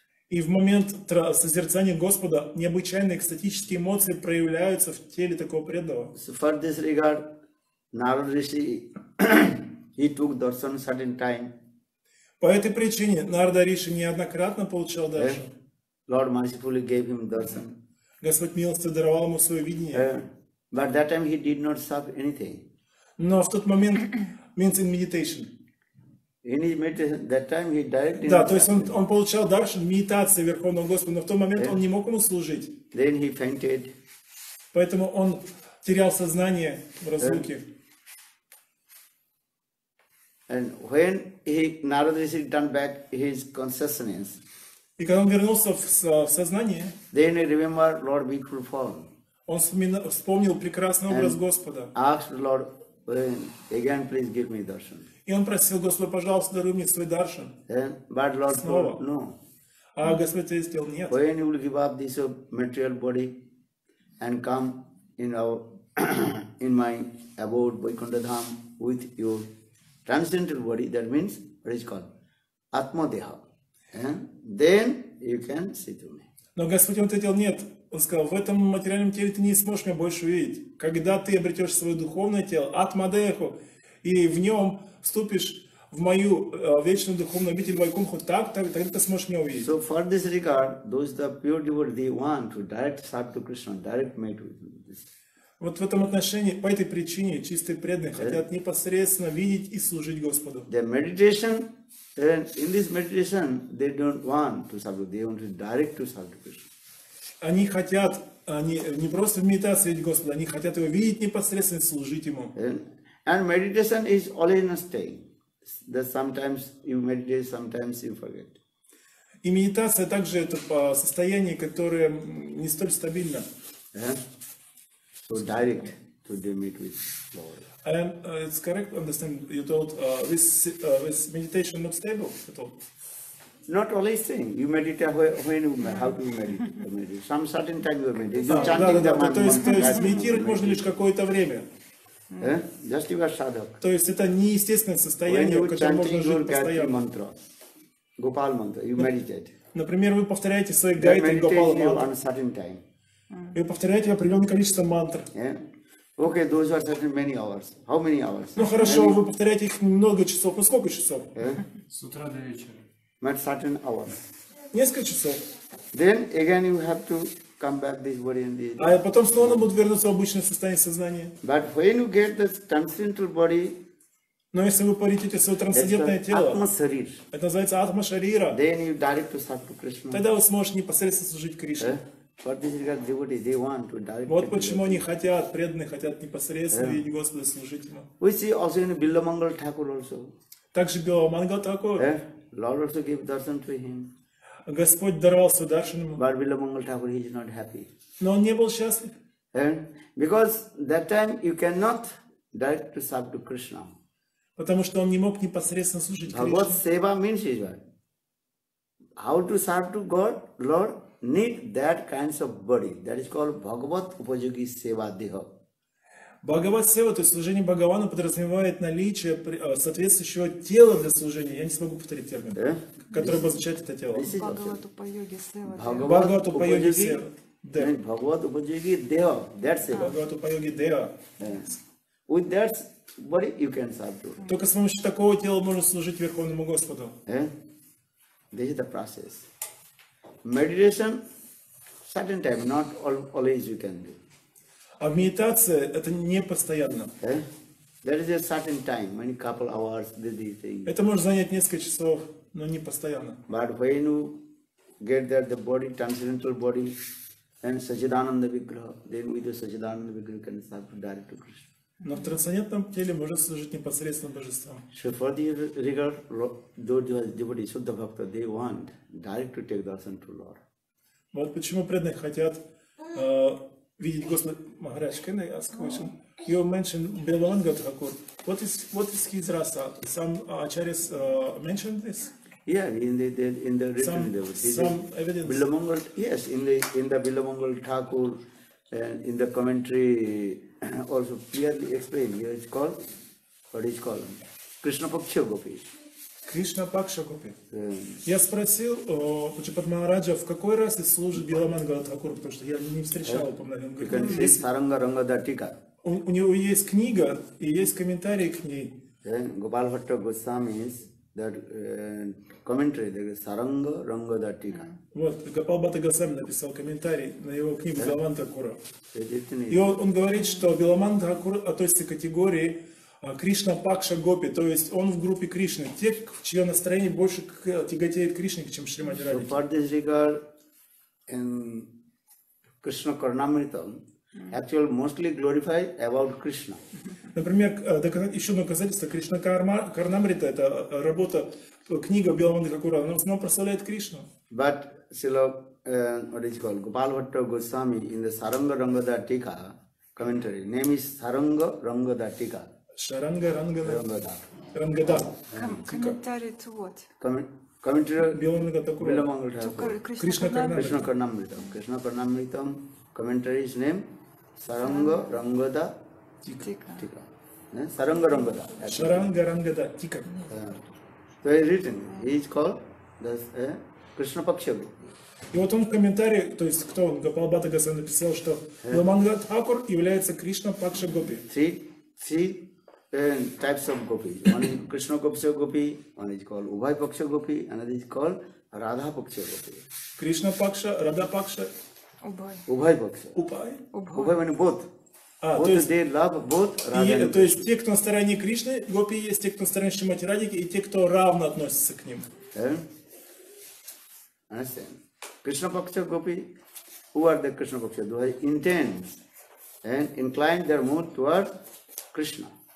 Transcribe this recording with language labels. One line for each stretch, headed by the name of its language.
Russian: И в момент созерцания Господа необычайные экстатические эмоции проявляются в теле такого преданного.
English: So for this regard, Narada Rishi, he took darshan certain time.
Russian: По этой причине Нарада Риши неоднократно получал даршан.
English: Lord mercifully gave him darshan.
Russian: Господь милостиво даровал ему свое видение.
English: But that time he did not serve anything.
Russian: Но в тот момент,
English: means in meditation. In his meditation, that time he directly.
Russian: Да, то есть он получал даршан в медитации Верховного Господа, но в тот момент он не мог ему служить.
English: Then he fainted.
Russian: Поэтому он терял сознание в разлуке.
English: And when he Narada Rishi turned back his consciousness.
Russian: И когда он вернулся в сознание.
English: Then he remembered Lord beautiful form.
Russian: Он вспомнил прекрасный образ Господа.
English: Asked Lord, when again, please give me darshan.
Russian: И он просил Господа, пожалуйста, даруй мне свой даршан.
English: But Lord
Russian: снова.
English: No.
Russian: А Господь ответил, нет.
English: When you will give up this material body and come in our in my abode Vaikuntha Dham with your transcendental body, that means what is called Atma Deha. Then you can see to me.
Russian: Но Господь ему ответил, нет. Он сказал, в этом материальном теле ты не сможешь меня больше увидеть. Когда ты обретешь свое духовное тело, Атма Деху, и в нем вступишь в мою вечную духовную обитель Вайкунху, тогда ты сможешь меня увидеть.
English: So for this regard, those the pure devotees, they want to direct serve to Krishna, direct meet with this.
Russian: Вот в этом отношении, по этой причине, чистые преданные хотят непосредственно видеть и служить Господу.
English: The meditation, and in this meditation, they don't want to serve, they want to direct to serve to Krishna.
Russian: Они хотят, они не просто в медитации видеть Господа, они хотят его видеть непосредственно и служить ему.
English: And meditation is always in a state. That sometimes you meditate, sometimes you forget.
Russian: И медитация также это по состоянию, которое не столь стабильно.
English: So direct to meet with Lord. And it's correct, understand, you told this meditation not stable at all? Not always thing. You meditate when you meditate, how do you meditate? Some certain time you meditate. You're chanting the mantra.
Russian: То есть, медитировать можно лишь какое-то время.
English: Just you are sadhak.
Russian: То есть, это неестественное состояние, в котором можно жить постоянно.
English: When you chanting your Gayatri mantra, Gopal mantra, you meditate.
Russian: Например, вы повторяете свои Гайатри Гопал мантры.
English: Meditate on a certain time.
Russian: И повторяете определенное количество мантр.
English: Okay, those are certain many hours. How many hours?
Russian: Ну хорошо, вы повторяете их много часов. Ну сколько часов? С утра до вечера.
English: Not certain hours.
Russian: Несколько часов.
English: Then again you have to come back this body and this.
Russian: А потом снова надо будет вернуться в обычное состояние сознания.
English: But when you get the transcendental body.
Russian: Но если вы полетите в свое трансцендентное тело. Атма-шарир. Это называется атма-шарира.
English: Then you direct to Sattva Krishna.
Russian: Тогда вы сможете непосредственно служить Кришне.
English: For this regard, devotees, they want to direct.
Russian: Вот почему они хотят, преданные хотят непосредственно видеть Господа служителя.
English: We see also in Билламангал Тхакур also.
Russian: Также Билламангал Тхакур.
English: Lord also gave darshan to him.
Russian: Господь даровал свой даршан ему.
English: But Билламангал Тхакур, he is not happy.
Russian: Но он не был счастлив.
English: Because that time you cannot direct to serve to Krishna.
Russian: Потому что он не мог непосредственно служить Кришне.
English: Bhagavat seva means is what? How to serve to God, Lord? Need that kinds of body. That is called Bhagavat Upajogi Seva Deha.
Russian: Bhagavat Seva, то есть служение Бхагавану подразумевает наличие соответствующего тела для служения. Я не смогу повторить термин, который обозначает это тело.
Sanskrit: Bhagavat Upajogi Seva
English: Deha. Bhagavat Upajogi Deha. That's it.
Sanskrit: Bhagavat Upajogi Deha.
English: With that body you can serve to.
Russian: Только с помощью такого тела можно служить Верховному Господу.
English: This is the process. Meditation, certain time, not always you can do.
Russian: А медитация это не постоянно.
English: There is a certain time, many couple hours, these things.
Russian: Это может занять несколько часов, но не постоянно.
English: But when you get there, the body, transcendental body, then Sachidananda Vigraha, then with the Sachidananda Vigraha, can start to direct to Krishna.
Russian: Но в трансцендентном теле можно служить непосредственно Божеством.
English: So for the regard, those devotees, Shuddha Bhakta, they want direct to take darshan to Lord.
Russian: Вот почему преданные хотят видеть Господа.
English: Махарадж, can I ask a question? You mentioned Билламангал Тхакур. What is his rasa? Some acharyas mentioned this? Yeah, in the written devotees. Some evidence. Billamangal, yes, in the Billamangal Thakur and in the commentary. Also clearly explain here it's called what is called Krishna Paksha Gopi. Krishna Paksha Gopi.
Russian: Я спросил Пучипат Махараджа, в какой раз и служит Билламангал Тхакур, потому что я не встречал упоминания. У него есть книга и есть комментарии к ней.
English: Gopal Bhatta Goswami is that commentary, the Saranga Ranga Dattika.
Russian: Вот, Гопал Бхатта Госвами написал комментарий на его книгу Билламан Тхакура. И он говорит, что Билламан Тхакура относится к категории Кришна Пакша Гопи, то есть он в группе Кришны, те, в чье настроение больше тяготеет Кришне, чем Шримати Радхике.
English: So, for this regard, in Krishna Karnamritam, actually mostly glorify about Krishna.
Russian: Например, еще одно доказательство, Кришна Карнамрита, это работа, книга Билламангал Тхакура, она в основном прославляет Кришну.
English: But Srila, what is called, Gopal Bhatta Goswami in the Saranga Ranga Dattika commentary, name is Saranga Ranga Dattika. Saranga Ranga Dattika. Ranga Dattika. Commentary to what? Commentary Billamangal Tukura. Krishna Karnamritam. Krishna Karnamritam. Krishna Karnamritam. Commentary is name Saranga Ranga Dattika. Saranga Ranga Dattika. Saranga Ranga Dattika. So he is written, he is called thus, Krishna Paksha Gopi.
Russian: И вот он в комментарии, то есть кто он, Гопал Бхатта Госвами написал, что Билламангал Тхакур является Кришна Пакша Гопи.
English: Three types of Gopi. One is Krishna Paksha Gopi, one is called Ubhay Paksha Gopi, another is called Radha Paksha Gopi. Krishna Paksha, Radha Paksha, Ubhay Paksha. Ubhay means both. Both they love both Radha Gopi.
Russian: То есть те, кто на стороне Кришны Гопи есть, те, кто на стороне Шримати Радхики, и те, кто равно относится к ним.
English: Understand? Krishna Paksha Gopi, who are the Krishna Paksha? Those are intense and incline their mood toward Krishna.